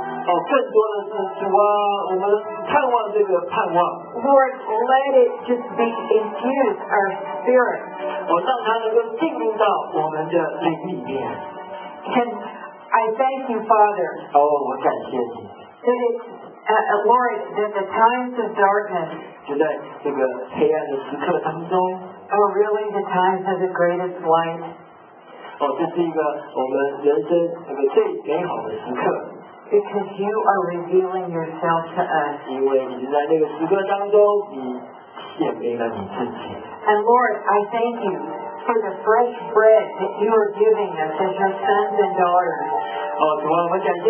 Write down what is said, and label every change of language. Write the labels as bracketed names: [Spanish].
[Chinese] 更多的是主啊，我们盼望这个盼望。 [English] Lord, let it just be infused our spirit. [Chinese] 让它能够进入到我们的灵里面。 [English] And I thank you, Father. [Chinese] 哦，我感谢你。 [English] That it, Lord, that the times of darkness. [Chinese] 就在这个黑暗的时刻当中。 [English] Are really the times of the greatest light. [Chinese] 哦，这是一个我们人生这个最美好的时刻。 [English] Because you are revealing yourself to us. [Chinese] 因为你在那个时刻当中，你显明了你自己。 [English] And Lord, I thank you for the fresh bread that you are giving us as your sons and daughters.